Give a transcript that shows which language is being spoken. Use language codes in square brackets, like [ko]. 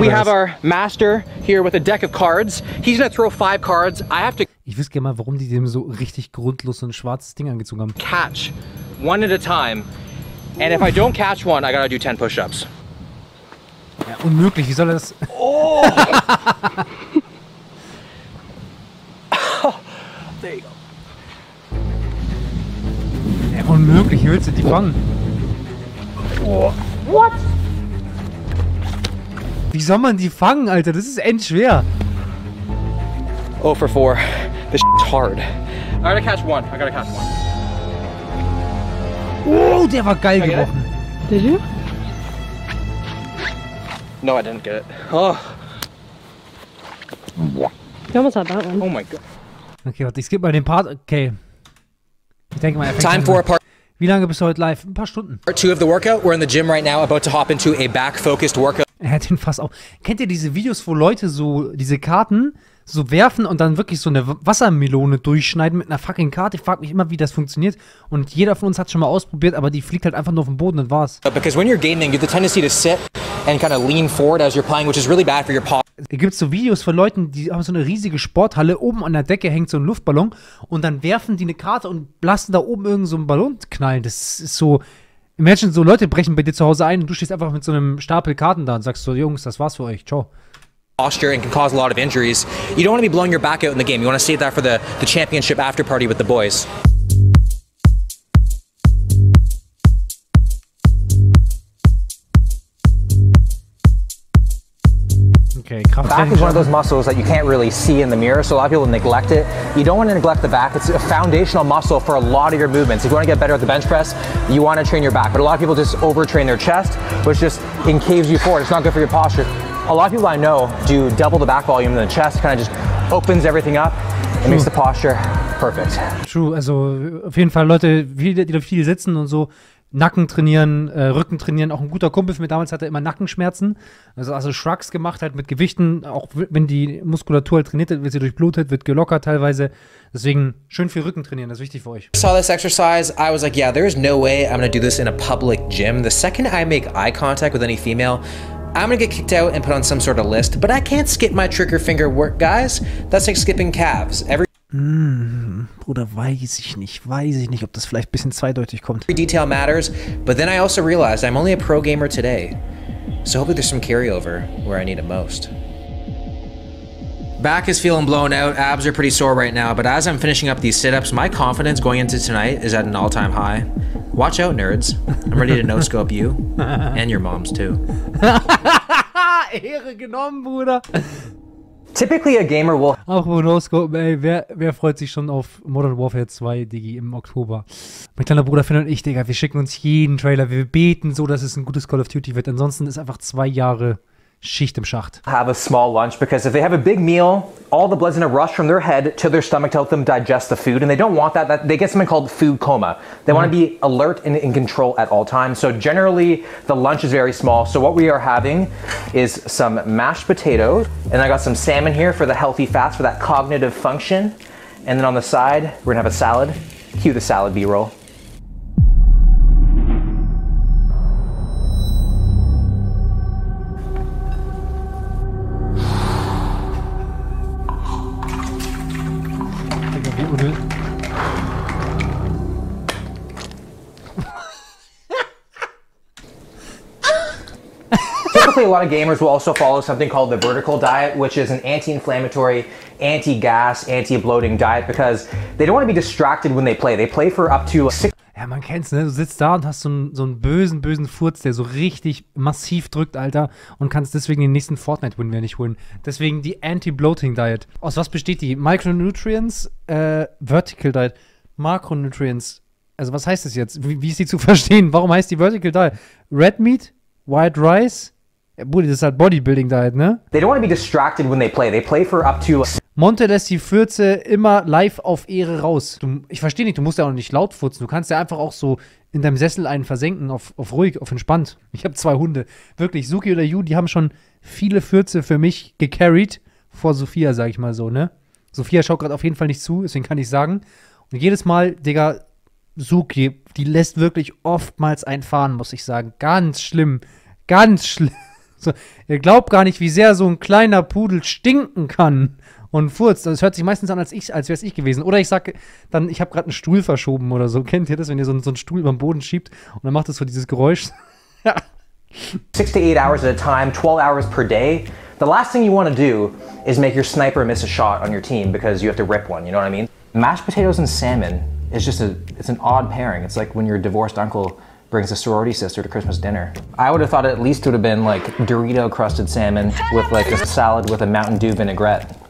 [en] We have our master here with a deck of cards. He's gonna throw 5 cards. I have to. [de] Ich wüsste gerne mal, warum die dem so richtig grundlos so ein schwarzes Ding angezogen haben. [en] Catch one at a time. And if I don't catch one, I gotta do 10 push-ups. [de] Ja, unmöglich. Wie soll er das? Oh! [en] There you go. [de] Ja, unmöglich. Wie willst du die fangen? [en] Oh. What? [de] Wie soll man die fangen, Alter? Das ist echt schwer. [en] Oh, for 4. This shit's hard. I gotta catch one. I gotta catch one. [de] Oh, der war geil gebrochen. [en] Did you? No, I didn't get it. Oh. You almost had that one. Oh my god. [de] Okay, warte, ich skip mal den Part. Okay. Ich denke mal, [en] time for a part. [de] Wie lange bist du heute live? Ein paar Stunden. [en] Part 2 of the workout. We're in the gym right now, about to hop into a back-focused workout. [de] Er hat ihn fast auf. Kennt ihr diese Videos, wo Leute so diese Karten so werfen und dann wirklich so eine Wassermelone durchschneiden mit einer fucking Karte? Ich frag mich immer, wie das funktioniert. Und jeder von uns hat schon mal ausprobiert, aber die fliegt halt einfach nur auf den Boden und war's. [en] Because when you're gaming, you have the tendency to sit and kind of lean forward as you're playing, which is really bad for your paw. [de] Es gibt so Videos von Leuten, die haben so eine riesige Sporthalle, oben an der Decke hängt so ein Luftballon und dann werfen die eine Karte und lassen da oben irgend so einen Ballon knallen. Das ist so. Imagine, so Leute brechen bei dir zu Hause ein und du stehst einfach mit so einem Stapel Karten da und sagst so, Jungs, das war's für euch, ciao. [en] Posture and can cause a lot of injuries. You don't want to be blowing your back out in the game. You want to save that for the championship after party with the boys. Okay, the back is one of those muscles that you can't really see in the mirror, so a lot of people neglect it. You don't want to neglect the back. It's a foundational muscle for a lot of your movements. If you want to get better at the bench press, you want to train your back. But a lot of people just overtrain their chest, which just concaves you forward. It's not good for your posture. A lot of people I know do double the back volume in the chest. It kind of just opens everything up and makes the posture perfect. True. [de] Also, auf jeden Fall, Leute, die da viel sitzen und so, Nacken trainieren, Rücken trainieren. Auch ein guter Kumpel von mir damals hatte immer Nackenschmerzen. Also Shrugs gemacht halt mit Gewichten. Auch wenn die Muskulatur halt trainiert wird, wird sie durchblutet, wird gelockert teilweise. Deswegen schön viel Rücken trainieren, das ist wichtig für euch. [en] I saw this exercise, I was like, yeah, there is no way I'm gonna do this in a public gym. The second I make eye contact with any female, I'm gonna get kicked out and put on some sort of list. But I can't skip my trigger finger work, guys. That's like skipping calves. [de] Bruder, weiß ich nicht. Weiß ich nicht, ob das vielleicht ein bisschen zweideutig kommt. [en] Every detail matters, but then I also realized I'm only a pro gamer today. So hopefully there's some carryover where I need it most. Back is feeling blown out, abs are pretty sore right now, but as I'm finishing up these sit-ups, my confidence going into tonight is at an all-time high. Watch out, nerds. I'm ready to no-scope you and your moms too. [de] Ehre genommen, Bruder. [en] Typically a gamer will. [de] Auch no-scope, ey, wer freut sich schon auf Modern Warfare 2, Digi, im Oktober? Mein kleiner Bruder Finn und ich, Digga, wir schicken uns jeden Trailer, wir beten so, dass es ein gutes Call of Duty wird. Ansonsten ist einfach 2 Jahre Schicht im Schacht. [en] Have a small lunch, because if they have a big meal, all the blood's in a rush from their head to their stomach to help them digest the food, and they don't want that, they get something called food coma. They want to be alert and in control at all times. So generally, the lunch is very small. So what we are having is some mashed potatoes, and I got some salmon here for the healthy fats, for that cognitive function. And then on the side, we're going to have a salad. Cue the salad B-roll. A lot of gamers will also follow something called the vertical diet, which is an anti-inflammatory, anti-gas, anti-bloating diet, because they don't want to be distracted when they play. They play for up to 6. [de] Ja, man kennt's, ne? Du sitzt da und hast so einen bösen Furz, der so richtig massiv drückt, Alter, und kannst deswegen den nächsten Fortnite-Win nicht holen. Deswegen die Anti-Bloating-Diet. Aus was besteht die? Micronutrients? Vertical Diet. Makronutrients. Also was heißt das jetzt? Wie ist die zu verstehen? Warum heißt die Vertical Diet? Red Meat? White Rice? Bruder, das ist halt Bodybuilding-Diet, ne? [en] They don't want to be distracted when they play. They play for up to... [de] Monte lässt die Fürze immer live auf Ehre raus. Ich verstehe nicht, du musst ja auch nicht laut furzen. Du kannst ja einfach auch so in deinem Sessel einen versenken, auf ruhig, auf entspannt. Ich habe 2 Hunde. Wirklich, Suki oder Yu, die haben schon viele Fürze für mich gecarried vor Sophia, sag ich mal so, ne? Sophia schaut gerade auf jeden Fall nicht zu, deswegen kann ich sagen. Und jedes Mal, Digga, Suki, die lässt wirklich oftmals einen fahren, muss ich sagen. Ganz schlimm, ganz schlimm. So, ihr glaubt gar nicht, wie sehr so ein kleiner Pudel stinken kann und furzt. Das hört sich meistens an, als wäre es ich gewesen. Oder ich sage dann, ich habe gerade einen Stuhl verschoben oder so. Kennt ihr das, wenn ihr so einen Stuhl über den Boden schiebt und dann macht es so dieses Geräusch? [en] 6 to 8 hours at a time, 12 hours per day. The last thing you want to do is make your sniper miss a shot on your team, because you have to rip one, you know what I mean? Mashed potatoes and salmon is just it's an odd pairing. It's like when your divorced uncle brings a sorority sister to Christmas dinner. I would have thought at least it would have been like Dorito crusted salmon with like a salad with a Mountain Dew vinaigrette.